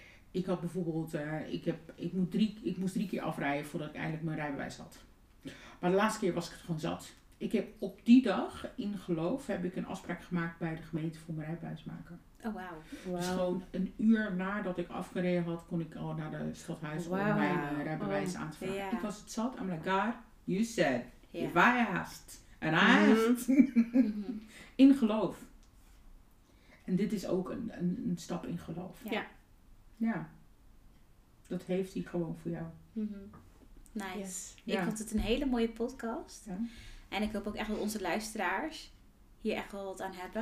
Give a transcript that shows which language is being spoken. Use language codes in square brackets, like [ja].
[nl] Ik had bijvoorbeeld, ik moest 3 keer afrijden voordat ik eindelijk mijn rijbewijs had. Maar de laatste keer was ik het gewoon zat. Ik heb op die dag, in geloof, heb ik een afspraak gemaakt bij de gemeente voor mijn rijbewijs maken. Oh, wauw. Wow. Dus gewoon een uur nadat ik afgereden had, kon ik al naar de stadhuis om mijn rijbewijs aan te vragen. Yeah. Ik was het zat. [en] I'm like, God, you said, if I asked, and I asked. [nl] Mm-hmm. In geloof. En dit is ook een stap in geloof. Ja. Yeah. Ja, dat heeft hij gewoon voor jou. [en] Mm-hmm. Nice. Yes. [nl] Ik vond het een hele mooie podcast. Ja. En ik hoop ook echt dat onze luisteraars hier echt wel wat aan hebben.